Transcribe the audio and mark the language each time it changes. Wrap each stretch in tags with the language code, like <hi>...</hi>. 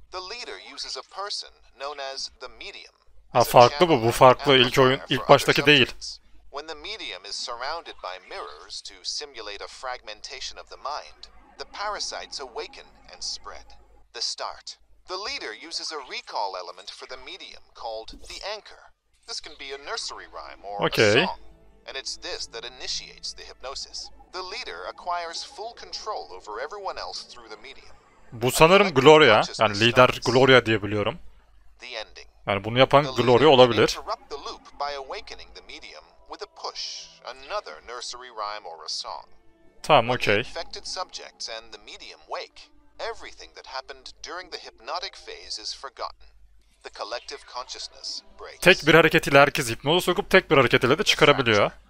<en>The leader uses a person known as the medium.</en> <tr>Ha farklı bu farklı, ilk oyun ilk baştaki değil.</tr> <en>When the medium is surrounded by mirrors to simulate a fragmentation of the mind, the parasites awaken and spread. The start. The leader uses a recall element for the medium called the anchor. This can be a nursery rhyme or okay. A song. And it's this that initiates the hypnosis. The leader acquires full control over everyone else through the medium.</en> <tr>Bu sanırım Gloria, yani lider Gloria diye biliyorum.</tr> <en>The ending.</en> <tr>Yani bunu yapan Gloria olabilir.</tr> <en>Interrupt the loop by awakening the medium with a push, another nursery rhyme or a song. Tamam, okay. The infected subjects and the medium wake. Everything that happened during the hypnotic phase is forgotten. The collective consciousness breaks.</en> <tr>Tek bir hareket ile herkes hipnoza sokup tek bir hareket ile de çıkarabiliyor.</tr>